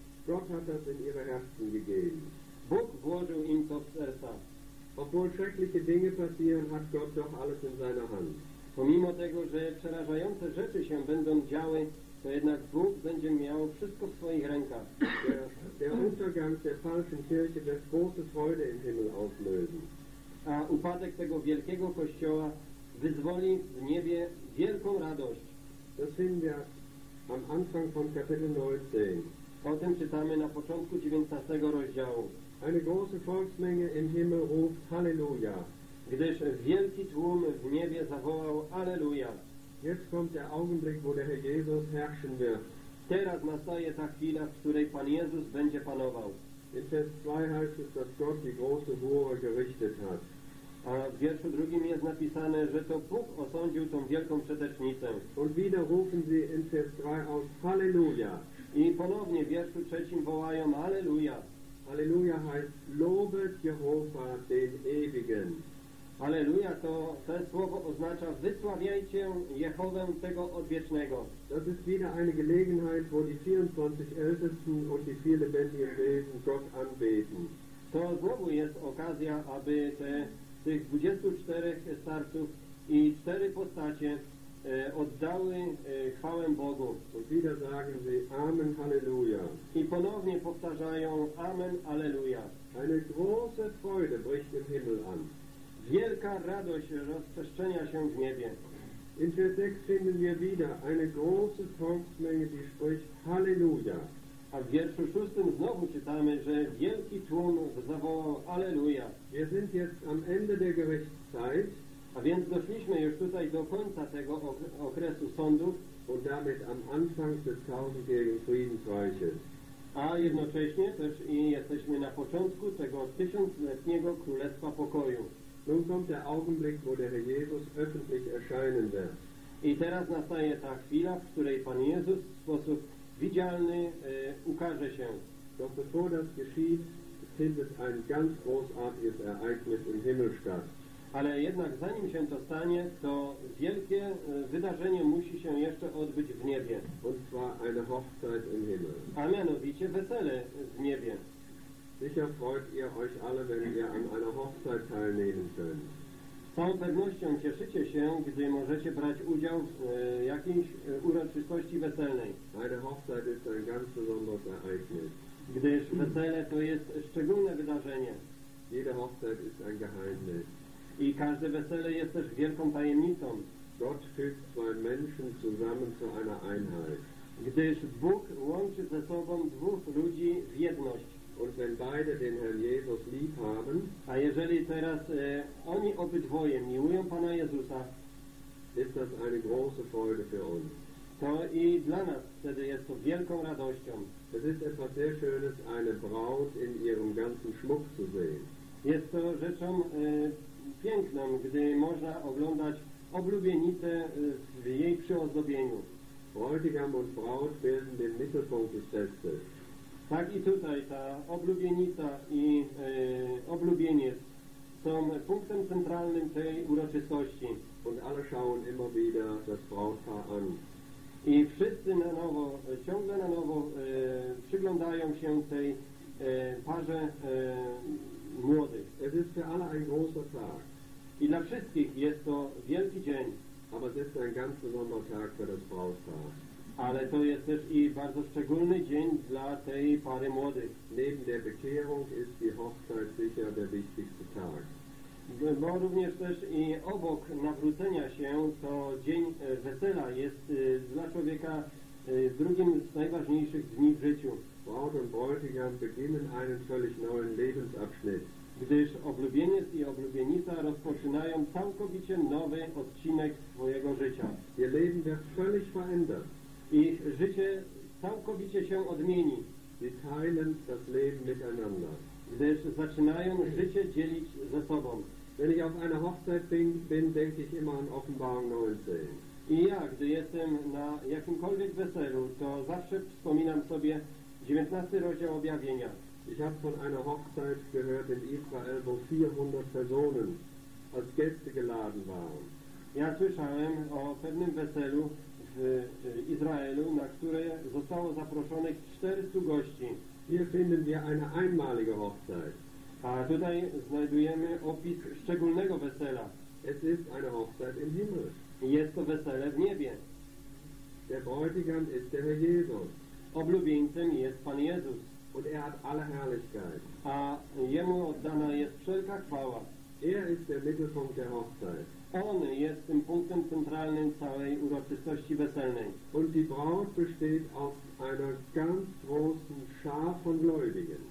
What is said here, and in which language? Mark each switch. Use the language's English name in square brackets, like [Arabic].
[German] Gott hat das in ihre Herzen gegeben. [Polish] Bóg włożył im to w serca. [German] Obwohl schreckliche Dinge passieren, hat Gott doch alles in seiner Hand. [Polish] Pomimo tego, że przerażające rzeczy się będą działy, to jednak Bóg będzie miał wszystko w swoich rękach. [German] Der Untergang der falschen Kirche wird große Freude im Himmel auslösen. [Polish] A upadek tego wielkiego kościoła wyzwoli w niebie wielką radość. [German] Das finden wir am Anfang von Kapitel 19. [Polish] O tym czytamy na początku 19 rozdziału. [German] Eine große Volksmenge im Himmel ruft Halleluja. [Polish] Gdyż wielki tłum w niebie zawołał Alleluja. [German] Jetzt kommt der Augenblick, wo der Herr Jesus herrschen wird. [Polish] Teraz nastaje ta chwila, w której Pan Jezus będzie panował. [German] In Vers 2 heißt es, dass Gott die große Hure gerichtet hat. [Polish] A w wierszu drugim jest napisane, że to Bóg osądził tą wielką przetecznicę. [German] Und wieder rufen sie in Vers 3 aus Halleluja. [Polish] I ponownie w wierszu trzecim wołają Alleluja. [German] Alleluja heißt lobet Jehova den Ewigen. [Polish] Alleluja, to te słowo oznacza wysławiajcie Jehowę tego odwiecznego. [German] Das ist wieder eine Gelegenheit, wo die 24 Ältesten und die vier lebendigen Wesen Gott anbeten. [Polish] To znowu jest okazja, aby tych 24 starców i cztery postacie oddały chwałę Bogu. [German] Und wieder sagen sie Amen, Halleluja. [Polish] I ponownie powtarzają Amen, Alleluja. [German] Eine große Freude bricht im Himmel an. [Polish] Wielka radość rozprzestrzenia się w niebie. [German] In Vers 6 finden wir wieder eine große Volksmenge, die spricht Halleluja. [Polish] A w wierszu 6 znowu czytamy, że wielki tłum zawołał Alleluja. [German] Wir sind jetzt am Ende der Gerichtszeit. [Polish] A więc doszliśmy już tutaj do końca tego okresu sądów. [German] Und damit am Anfang des tausendjährigen Friedensreiches. [Polish] A jednocześnie też i jesteśmy na początku tego tysiącletniego Królestwa Pokoju. [German] Nun kommt der Augenblick, wo der Herr Jesus öffentlich erscheinen wird. [Polish] I teraz nastaje ta chwila, w której Pan Jezus w sposób widzialny ukaże się. [German] Doch bevor das geschieht, findet ein ganz großartiges Ereignis im Himmel statt. [Polish] Ale jednak zanim się to stanie, to wielkie wydarzenie musi się jeszcze odbyć w niebie. [German] Und zwar eine Hochzeit im Himmel. [Polish] A mianowicie wesele w niebie. [German] Sicher freut ihr euch alle, wenn ihr an einer Hochzeit teilnehmen könnt. [Polish] Z całą pewnością cieszycie się, gdy możecie brać udział w jakiejś uroczystości weselnej. [German] Eine Hochzeit ist ein ganz besonderes Ereignis. [Polish] Gdyż wesele to jest szczególne wydarzenie. [German] Jede Hochzeit ist ein Geheimnis. [Polish] I każde wesele jest też wielką tajemnicą. [German] Gott fügt zwei Menschen zusammen zu einer Einheit. [Polish] Gdyż Bóg łączy ze sobą dwóch ludzi w jedność. [German] Und wenn beide den Herrn Jesus lieb haben, [Polish] a jeżeli teraz oni obydwoje miłują Pana Jezusa, [German] ist das eine große Freude für uns. [Polish] To i dla nas wtedy jest to wielką radością. [German] Es ist etwas sehr Schönes, eine Braut in ihrem ganzen Schmuck zu sehen. [Polish] Jest to rzeczą piękną, gdy można oglądać oblubienicę w jej przyozdobieniu. [German] Bräutigam und Braut bilden den Mittelpunkt des Festes. [Polish] Tak i tutaj ta oblubienica i oblubieniec są punktem centralnym tej uroczystości. [German] Und alle schauen immer wieder das Brautpaar an. [Polish] I wszyscy na nowo, ciągle na nowo przyglądają się tej parze młodych. [German] Es ist für alle ein großer Tag. [Polish] I dla wszystkich jest to wielki dzień. [German] Aber es ist ein ganz besonderer Tag für das Brautpaar. [Polish] Ale to jest też i bardzo szczególny dzień dla tej pary młodych. [German] Neben der Bekehrung ist die Hochzeit sicher der wichtigste Tag. [Polish] Bo również też i obok nawrócenia się, to dzień wesela jest dla człowieka drugim z najważniejszych dni w życiu. [German] Braut und Bräutigam beginnen einen völlig neuen Lebensabschnitt. [Polish] Gdyż oblubieniec i oblubienica rozpoczynają całkowicie nowy odcinek swojego życia. [German] Ihr Leben wird völlig verändert. [Polish] Ich życie całkowicie się odmieni. [German] Sie teilen das Leben miteinander. [Polish] Gdyż zaczynają życie dzielić ze sobą. [German] Wenn ich auf einer Hochzeit bin, denke ich immer an Offenbarung 19. [Polish] I ja, gdy jestem na jakimkolwiek weselu, to zawsze wspominam sobie 19 rozdział objawienia. [German] Ich habe von einer Hochzeit gehört in Israel, wo 400 Personen als Gäste geladen waren. [Polish] Ja słyszałem o pewnym weselu w Izraelu, na które zostało zaproszonych 400 gości. [German] Hier finden wir eine einmalige Hochzeit. [Polish] A tutaj znajdujemy opis szczególnego wesela. [German] Es ist eine Hochzeit im Himmel. [Polish] Jest to wesele w niebie. [German] Der Bräutigam ist der Herr Jesus. [Polish] Oblubieńcem jest Pan Jezus. [German] Und er hat alle Herrlichkeit. [Polish] A jemu oddana jest wszelka chwała. [German] Er ist der Mittelpunkt der Hochzeit. [Polish] On jest tym punktem centralnym całej uroczystości weselnej. [German] Und die Braut besteht aus einer ganz großen Schar von Gläubigen.